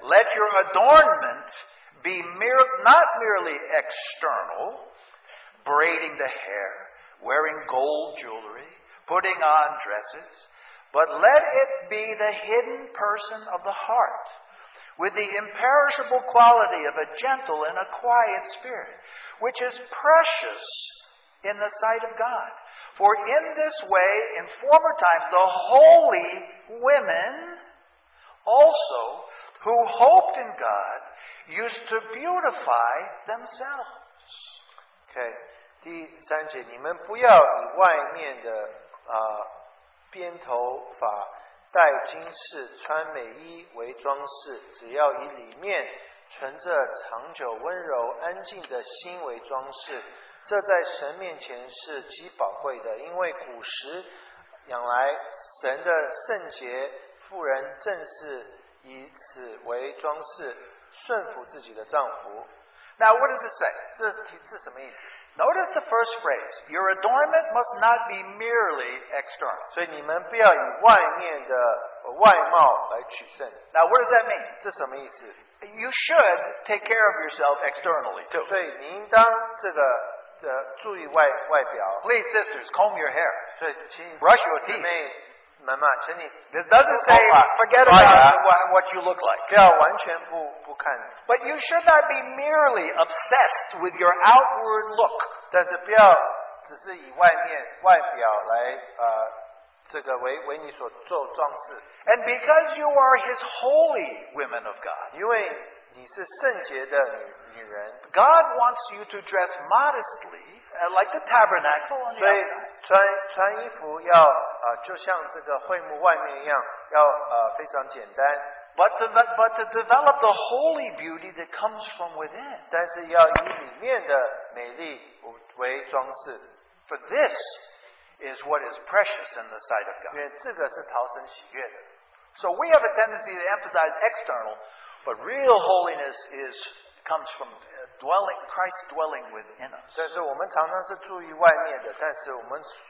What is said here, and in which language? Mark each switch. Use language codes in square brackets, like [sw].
[en] Let your adornment be not merely external, braiding the hair, wearing gold jewelry, putting on dresses, but let it be the hidden person of the heart, with the imperishable quality of a gentle and a quiet spirit, which is precious in the sight of God. For in this way, in former times, the holy women also, who hoped in God, used to beautify themselves. Okay. [zh] 第三节, 你们不要以外面的, 编头发, 戴金饰, 穿美衣为装饰, 只要以里面, 存着长久温柔, 安静的心为装饰, 这在神面前是极宝贵的, 因为古时, 养来神的圣洁, 妇人正是, 以此为装饰, 顺服自己的丈夫。 [en] Now, what does it say? [zh] 这是什么意思? [en] Notice the first phrase. Your adornment must not be merely external. [zh] 所以你们不要以外面的外貌来取胜。 [en] Now, what does that mean? [zh] 这什么意思? [en] You should take care of yourself externally, too. [zh] 所以您当这个, 注意外表。 [en] Please, sisters, comb your hair. [zh] 所以请, [en] brush your teeth. [zh] 姐妹, 妈妈, 请你, [en] this doesn't say, forget about what you look like. [zh] 不要完全不, [en] but you should not be merely obsessed with your outward look. [zh] 但是不要只是以外面外表来, 这个为你所做装饰。 [en] And because you are His holy women of God, [zh] 因为你是圣洁的女人, [en] God wants you to dress modestly, like the tabernacle on the outside. [zh] 所以穿衣服要, 就像这个会幕外面一样, 要, 非常简单。 [en] But to develop the holy beauty that comes from within. [zh] 但是要以里面的美丽为装饰。 [en] For this is what is precious in the sight of God. [zh] 因为这个是讨神喜悦的。 [en] So we have a tendency to emphasize external, but real holiness is comes from dwelling Christ dwelling within us. [zh] 但是我们常常是注意外面的，但是我们